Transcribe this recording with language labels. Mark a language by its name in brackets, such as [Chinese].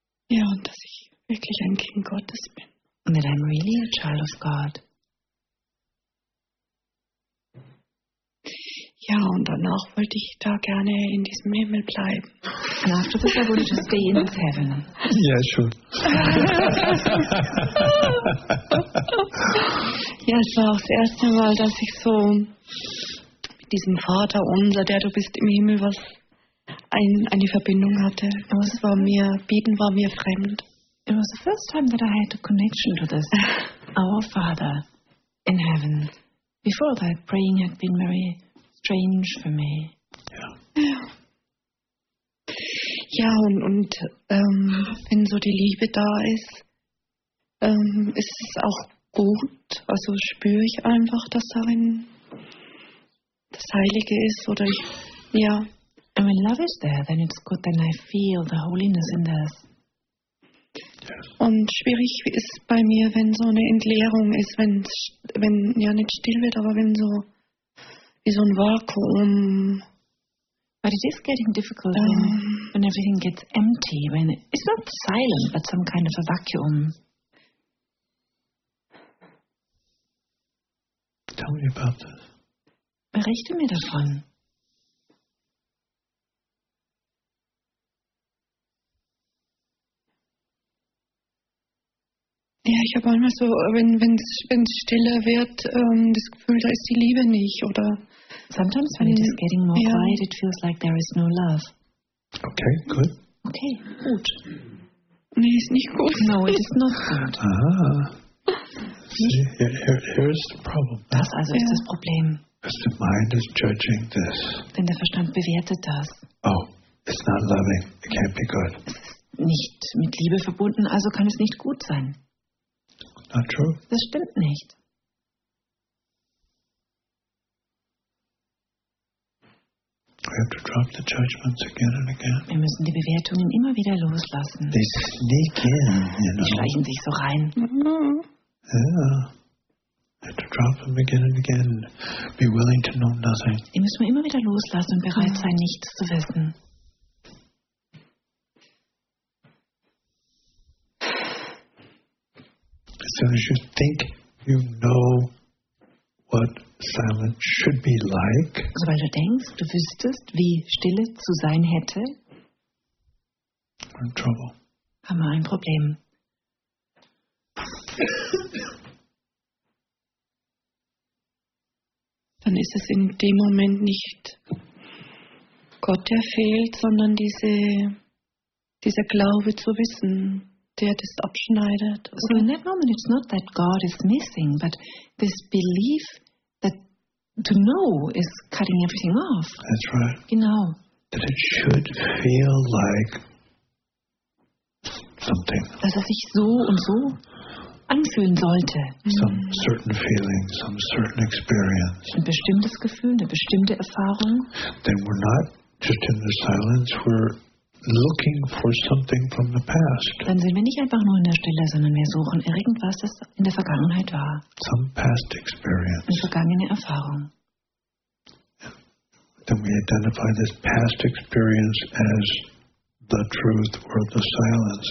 [German] Ja, und dass ich wirklich ein Kind Gottes bin. [English] And that I'm really a child of God. [German] Ja, und danach wollte ich da gerne in diesem Himmel bleiben. [English] And after this I wanted to stay in this heaven. Yeah, sure. [German] Ja, es war auch das erste Mal, dass ich so mit diesem Vater unser, der du bist im Himmel, was eine Verbindung hatte. Das war mir, Beten war mir fremd. [English] It was the first time that I had a connection to this, our Father in heaven. Before that, praying had been very strange for me. Yeah. [German] Ja, und wenn so die Liebe da ist, ist es auch gut. Also spüre ich einfach, dass darin das Heilige ist. Oder ich, ja. [English] And when love is there, then it's good, then I feel the holiness in this. [German] Und schwierig ist bei mir, wenn so eine Entleerung ist, wenn ja nicht still wird, aber wenn so wie so ein Vakuum. [English] But it is getting difficult when everything gets empty. When it's not silent, but some kind of a vacuum. Tell me about this. [German] Berichte mir davon. Ja, ich habe manchmal so, wenn es stiller wird, das Gefühl, da ist die Liebe nicht, oder? [English] Sometimes when it is getting more quiet, it feels like there is no love. Okay, good. [German] Okay, gut. Nee, ist nicht gut. [English] No, it is not good. Aha. See, here is the problem. [German] Das also ist das Problem. [English] Because the mind is judging this. [German] Denn der Verstand bewertet das. [English] Oh, it's not loving. It can't be good. [German] Es ist nicht mit Liebe verbunden, also kann es nicht gut sein. [English] Not true. [German] Das stimmt nicht. [English] We have to drop the judgments again and again. [German] Wir müssen die Bewertungen immer wieder loslassen. [English] They sneak in, you know. [German] Die schleichen sich so rein. [English] Yeah. We have to drop them again and again. Be willing to know nothing. [German] Die müssen wir immer wieder loslassen und bereit sein, nichts zu wissen. [English] As soon as you think you know what silence should be like, [German] sobald du denkst, du wüsstest, wie Stille zu sein hätte, [English] we're in trouble. [German] Haben wir ein Problem. Dann ist es in dem Moment nicht Gott, der fehlt, sondern dieser Glaube zu wissen, der das abschneidet. [English] So in that moment it's not that God is missing, but this belief that to know is cutting everything off. That's right. [German] Genau. [English] That it should feel like something. [German] Dass es sich so und so anfühlen sollte. [English] Some certain feeling, some certain experience. [German] Ein bestimmtes Gefühl, eine bestimmte Erfahrung. [English] Then we're not just in the silence, we're looking for something from the past. [German] Dann sind wir nicht einfach nur in der Stille, sondern wir suchen irgendwas, das in der Vergangenheit war. [English] Some past experience. [German] Eine vergangene Erfahrung. [English] Then we identify this past experience as the truth or the silence.